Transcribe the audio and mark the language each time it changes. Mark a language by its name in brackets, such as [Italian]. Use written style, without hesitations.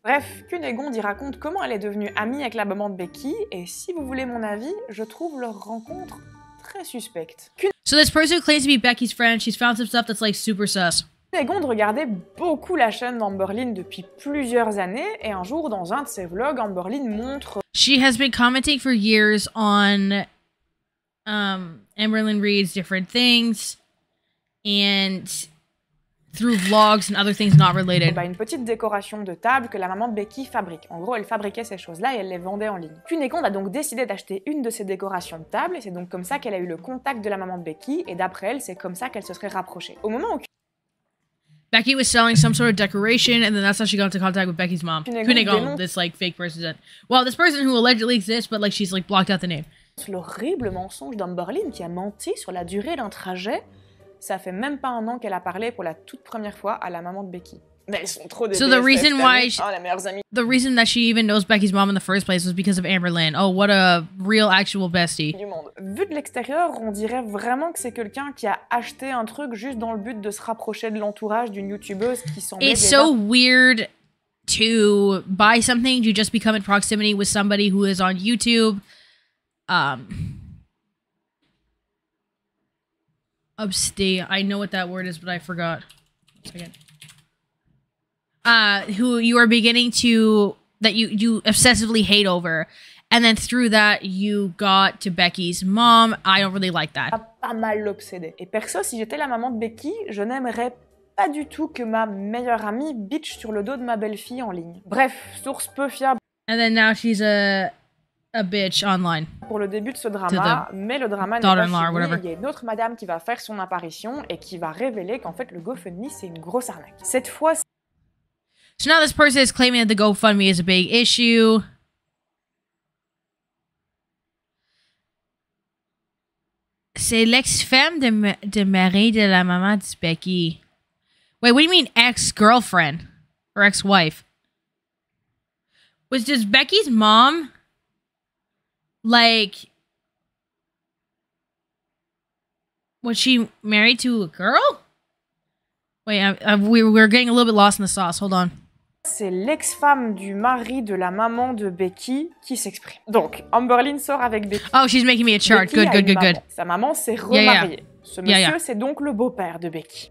[French] Bref, Cunégonde y raconte comment elle est devenue amie avec la maman de Becky, et si vous voulez mon avis, je trouve leur rencontre très suspecte. [English] So this person who claims to be Becky's friend, she's found some stuff that's like super sus. [French] Cunégonde regardait beaucoup la chaîne d'Amberlynn depuis plusieurs années, et un jour, dans un de ses vlogs, Amberlynn montre... [English] She has been commenting for years on Amberlynn Reid's different things, and... through vlogs and other things not related. [French] Bah, une petite décoration de table que la maman de Becky fabrique. En gros, elle fabriquait ces choses-là et elle les vendait en ligne. Cunégonde a donc décidé d'acheter une de ces décorations de table et c'est donc comme ça qu'elle a eu le contact de la maman de Becky et d'après elle, c'est comme ça qu'elle se serait rapprochée. Au moment où [English] Becky was selling some sort of decoration and then that's how she got into contact with Becky's mom. Cunégonde, this like fake person that... Well, this person who allegedly exists but like she's like blocked out the name. [French] L'horrible mensonge d'Amberlynn qui a menti sur la durée d'un trajet. Ça fait même pas un an qu'elle a parlé pour la toute première fois à la maman de Becky. Mais elles sont trop débiles. [English] So the reason why she, the reason that she even knows Becky's mom in the first place was because of Amberlynn. Oh, what a real actual bestie. [French] Du monde. Vu de l'extérieur, on dirait vraiment que c'est quelqu'un qui a acheté un truc juste dans le but de se rapprocher de l'entourage d'une youtubeuse qui semble. [English] It's so weird to buy something to just become in proximity with somebody who is on YouTube. Upstate. I know what that word is, but I forgot. One second. Who you are beginning to that you obsessively hate over, and then through that you got to Becky's mom. I don't really like that. [French] Pas mal obsédé. Et perso, si j'étais la maman de Becky, je n'aimerais pas du tout que ma meilleure amie bitch sur le dos de ma belle-fille en ligne. Bref, source peu fiable. [English] And then now she's a bitch online. [French] Pour le début de ce drama, mais le drama n'est pas fini. Il y a une autre madame qui va faire son apparition et qui va révéler qu'en fait le GoFundMe c'est une grosse arnaque. Cette fois. [English] So now this person is claiming that the GoFundMe is a big issue. [French] C'est l'ex-femme de Marie de la maman de Becky. [English] Wait, what do you mean ex-girlfriend or ex-wife? Was just Becky's mom? Like, was she married to a girl? Wait, we're getting a little bit lost in the sauce. Hold on. [French] C'est l'ex-femme du mari de la maman de Becky qui s'exprime. Donc, Amberlynn sort avec Becky. [English] Oh, she's making me a chart. Becky good. [French] Sa maman s'est remariée. [English] Yeah, yeah. [French] Ce monsieur, c'est donc le beau-père de Becky.